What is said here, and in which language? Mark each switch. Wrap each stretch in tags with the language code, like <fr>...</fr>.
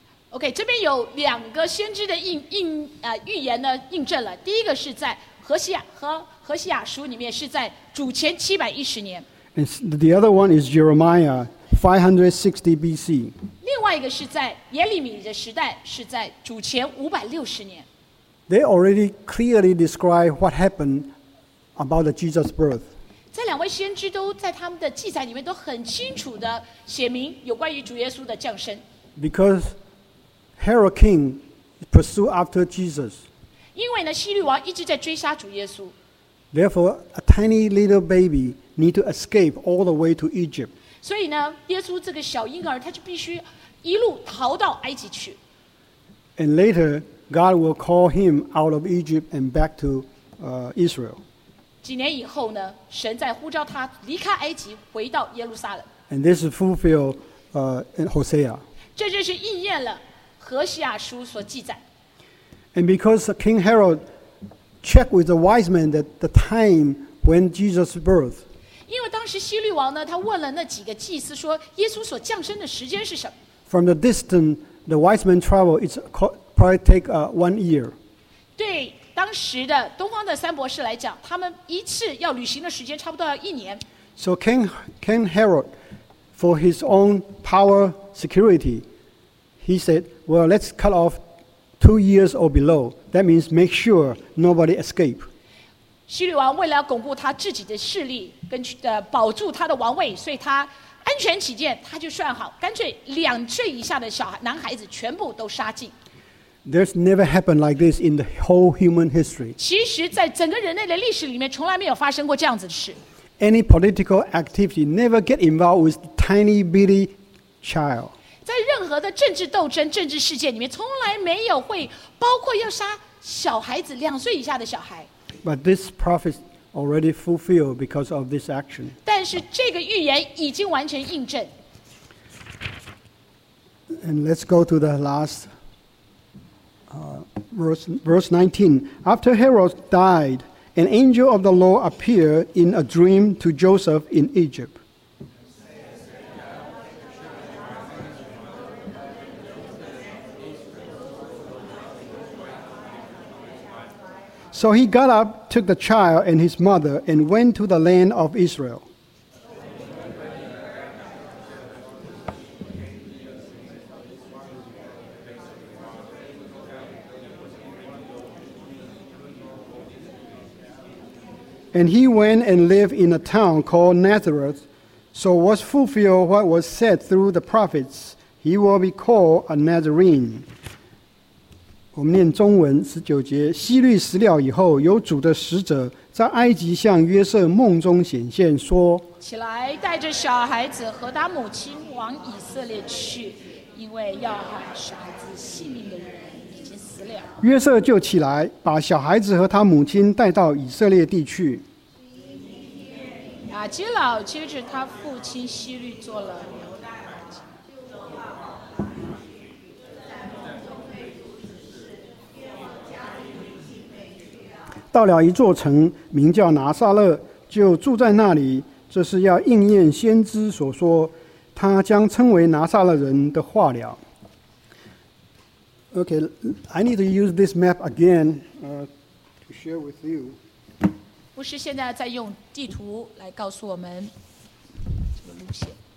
<zh>OK, 这边有两个先知的预言呢印证了。第一个是在何西亚书里面，是在主前710年。</zh> <en>And the other one is Jeremiah 560 BC.</en> <zh>另外一个是在耶利米的时代，是在主前560年。</zh> <en>They already clearly describe what happened about the Jesus birth.</en> <zh>这两位先知都在他们的记载里面都很清楚的写明有关于主耶稣的降生。</zh> <en>Because Herod King pursued after Jesus.</en> <zh>因为呢，希律王一直在追杀主耶稣。</zh> <en>Therefore, a tiny little baby need to escape all the way to Egypt.</en> <zh>所以呢，耶稣这个小婴儿他就必须一路逃到埃及去。</zh> <en>And later, God will call him out of Egypt and back to Israel.</en> <zh>几年以后呢，神再呼召他离开埃及，回到耶路撒冷。</zh> <en>And this is fulfilled in Hosea.</en> <zh>这就是应验了。何西亚书所记载。</zh> <en>And because King Herod checked with the wise men that the time when Jesus' birth.</en> <zh>因为当时希律王呢，他问了那几个祭司说，耶稣所降生的时间是什么</zh> <en>？From the distance, the wise men travel. It's probably take one year.</en> <zh>对当时的东方的三博士来讲，他们一次要旅行的时间差不多要一年。</zh> <en>So King Herod, for his own power security. He said, well, let's cut off 2 years or below. That means make sure nobody escape.</en> <zh>希律王为了要巩固他自己的势力跟保住他的王位，所以他安全起见，他就算好，干脆两岁以下的小孩男孩子全部都杀尽。</zh> <en>There's never happened like this in the whole human history.</en> <zh>其实，在整个人类的历史里面，从来没有发生过这样子的事。</zh> <en>Any political activity never get involved with tiny bitty child.</en> <zh>在任何的政治斗争、政治事件里面，从来没有会包括要杀小孩子，两岁以下的小孩。</zh> <en>But this prophecy already fulfilled because of this action.</en> <zh>但是这个预言已经完全印证。</zh> <en>And let's go to the last. Verse 19. After Herod died, an angel of the Lord appeared in a dream to Joseph in Egypt. So he got up, took the child and his mother, and went to the land of Israel. And he went and lived in a town called Nazareth. So was fulfilled what was said through the prophets. He will be called a Nazarene.</en> <zh>我们念中文十九节，希律死了以后，有主的使者在埃及向约瑟梦中显现，说： 起来，带着小孩子和他母亲往以色列去，因为要害小孩子性命的人。约瑟就起来，把小孩子和他母亲带到以色列地去。亚基老接着他父亲希律做了牛大人。到了一座城，名叫拿撒勒，就住在那里。这是要应验先知所说，他将称为拿撒勒人的话了。</zh> <en>Okay, I need to use this map again, to share with you.</en> <zh>牧师现在在用地图来告诉我们这个路线。</zh>